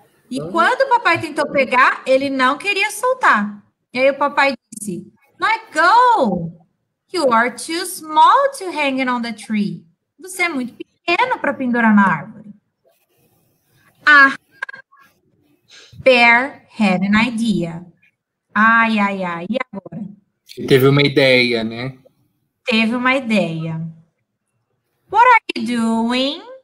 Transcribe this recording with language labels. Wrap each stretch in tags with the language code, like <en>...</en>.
<pt>E quando o papai tentou pegar, ele não queria soltar. E aí o papai disse,</pt> <en>let go! You are too small to hang it on the tree.</en> <pt>Você é muito pequeno para pendurar na árvore.</pt> <en>Ah! Bear had an idea.</en> <pt>Ai, ai, ai, e agora? Ele teve uma ideia, né? Teve uma ideia.</pt> <en>What are you doing?</en>